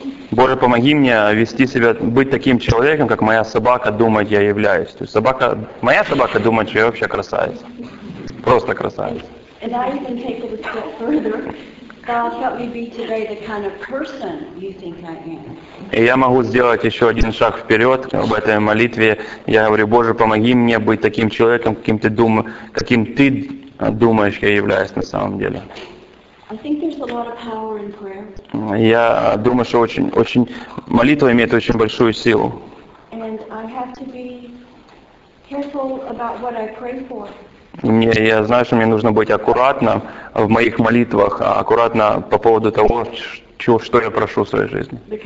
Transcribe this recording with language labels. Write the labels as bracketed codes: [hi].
[ru] Боже, помоги мне вести себя, быть таким человеком, как моя собака думает, я являюсь. То есть собака, моя собака думает, что я вообще красавец. Просто красавец. [en] And I even take it a step further. God, help me be today the kind of person you think I am. [ru] И я могу сделать еще один шаг вперед в этой молитве. Я говорю, Боже, помоги мне быть таким человеком, каким ты думаешь, я являюсь на самом деле. [en] I think there's a lot of power in prayer. [ru] Я думаю, что очень, очень молитва имеет очень большую силу. [en] And I have to be careful about what I pray for. [ru] Мне, я знаю, что мне нужно быть аккуратным в моих молитвах, аккуратно по поводу того, что я прошу в своей жизни.